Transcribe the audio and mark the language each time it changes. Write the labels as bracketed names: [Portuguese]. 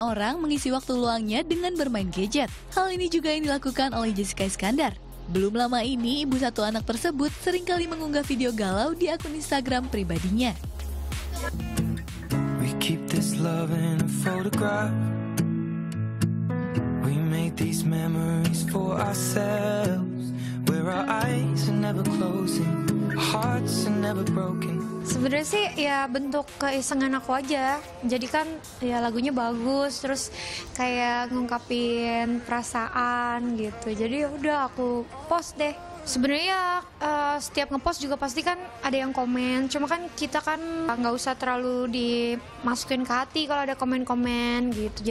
[Indonesian] Orang mengisi waktu luangnya dengan bermain gadget. Hal ini juga yang dilakukan oleh Jessica Iskandar. Belum lama ini, ibu satu anak tersebut seringkali mengunggah video galau di akun Instagram pribadinya. [English] We keep this love in a photograph. We made these memories for ourselves. Where our eyes are never closing, hearts are never broken. [Indonesian] Sebenarnya sih ya bentuk keisengan aku aja. Jadi kan ya lagunya bagus, terus kayak ngungkapin perasaan gitu. Jadi udah aku post deh. Sebenarnya setiap ngepost juga pasti kan ada yang komen. Cuma kan kita kan nggak usah terlalu dimasukin ke hati kalau ada komen-komen gitu.